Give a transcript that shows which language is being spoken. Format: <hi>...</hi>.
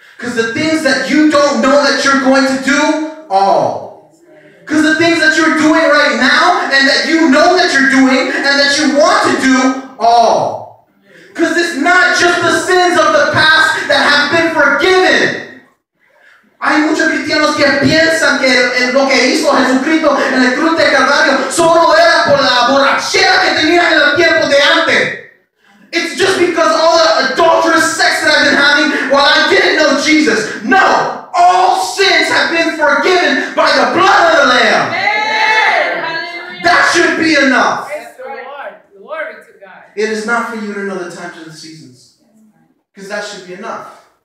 <en>Because the things that you don't know that you're going to do, all. Because the things that you're doing right now and that you know that you're doing and that you want to do, all. Because it's not just the sins of the past that have been forgiven.</en> <es>Hay muchos cristianos que piensan que lo que hizo Jesucristo en el cruz de Calvario solo era por la borrachera que tenía en el tiempo de antes.</es> <en>It's just because all the adulterous sex that I've been having while I didn't know Jesus. No! All sins have been forgiven by the blood of the Lamb. Amen. That should be enough. Glory to God. It is not for you to know the times and the seasons. Because that should be enough.</en>